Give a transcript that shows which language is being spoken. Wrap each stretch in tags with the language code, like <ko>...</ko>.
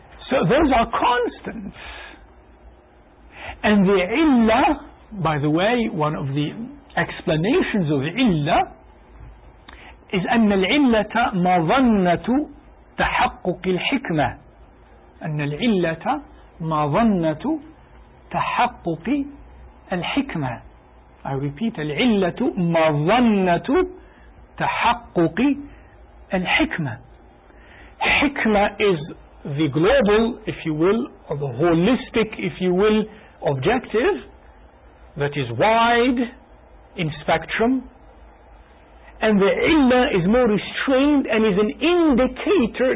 <en>So those are constants. And the illah, by the way, one of the explanations of illah is</en> <ar>أن العلة مظنة تحقق الحكمة. أن العلة مظنة تحقق الحكمة.</ar> <en>I repeat,</en> <ar>العلة مظنة تحقق الحكمة.</ar> <en>حكمة is the global, if you will, or the holistic, if you will, objective that is wide in spectrum, and the illa is more restrained and is an indicator.</en>